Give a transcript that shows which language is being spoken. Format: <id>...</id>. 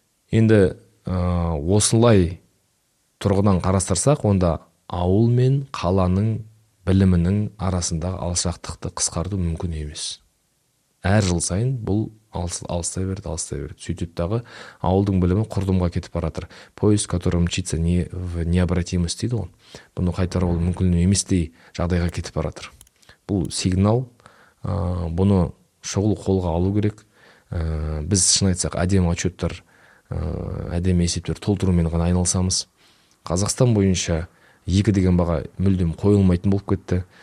<kk>Енді осылай тұрғыдан қарастырсақ, онда ауыл мен қаланың білімінің арасындағы алшақтықты қысқарту мүмкін емес. Әр жыл сайын бұл алыстай берді. Сөйтіп тағы ауылдың білімі құрдымға кетіп баратыр.</kk> <ru>Поезд, которым мчится в необратимость</ru> <kk>дейді ғой. Бұны қайтару ол мүмкін еместей жағдайға кетіп баратыр. Бұл сигнал, бұны шұғыл қолға алу керек. Біз шын айтсақ, әдемі отчеттер, әдемі есептер толтырумен ғана айналысамыз. Қазақстан бойынша 2 деген баға мүлдем қойылмайтын болып кетті.</kk>